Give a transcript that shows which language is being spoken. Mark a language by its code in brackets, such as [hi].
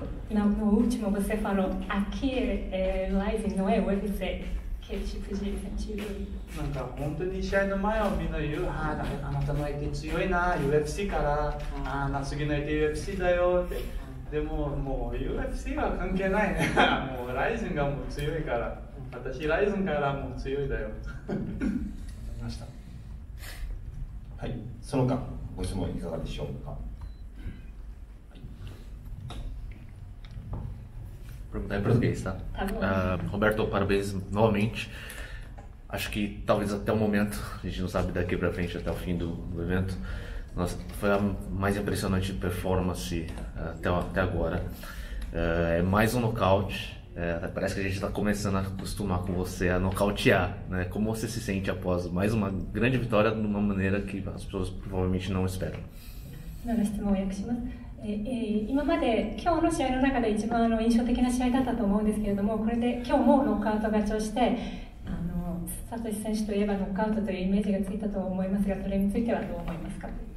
[pt] No último, você falou, aqui é Ryzen, não é UFC. [ja] なんか本当に試合の前をみんな言う、ああ、あなたの相手強いな、UFC から、ああ、次の相手 UFC だよって、でももう UFC は関係ないね、もうライズンがもう強いから、私、ライズンからもう強いだよ。わかりました。はい、その他、ご質問いかがでしょうか。 [pt] Perguntar em português, tá? Tá bom. Roberto, parabéns novamente. acho que talvez até o momento, a gente não sabe daqui para frente até o fim do evento, foi a mais impressionante performance até agora. É mais um nocaute. Parece que a gente está começando a acostumar com você a nocautear, né? Como você se sente após mais uma grande vitória de uma maneira que as pessoas provavelmente não esperam? Não, não estou muito [ja] ,今まで 今日の試合の中で一番印象的な試合だったと思うんですけれども、これで今日もノックアウト勝ちをして、サトシ選手といえばノックアウトというイメージがついたと思いますが、それについてはどう思いますか？